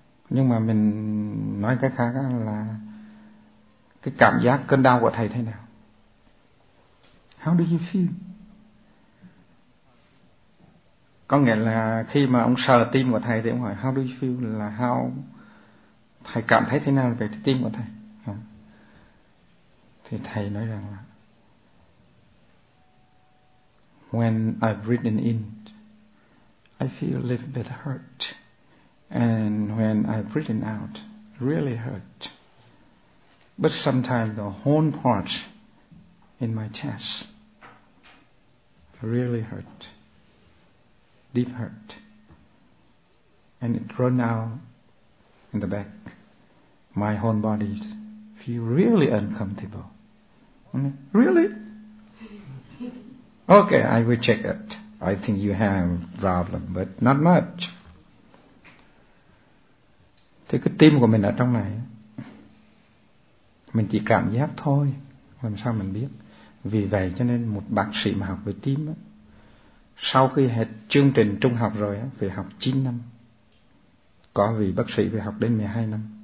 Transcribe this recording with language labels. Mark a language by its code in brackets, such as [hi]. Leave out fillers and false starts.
[vi] Nhưng mà mình nói cái khác là cái cảm giác cơn đau của thầy thế nào? [en] How do you feel? [vi] Có nghĩa là khi mà ông sờ tim của thầy thì ông hỏi [en] how do you feel [vi] là how thầy cảm thấy thế nào về cái tim của thầy. Thì thầy nói rằng là [en] when I breathe in I feel a little bit hurt and when I breathe out really hurt but sometimes the horn part in my chest really hurt, deep hurt, and it run out in the back. My whole body feel really uncomfortable. Really? Okay, I will check it. I think you have problem, but not much. [vi] Thế cái tim của mình ở trong này, mình chỉ cảm giác thôi. Làm sao mình biết? Vì vậy cho nên một bác sĩ mà học về tim á, sau khi hết chương trình trung học rồi á, phải học 9 năm. Có vị bác sĩ phải học đến 12 năm.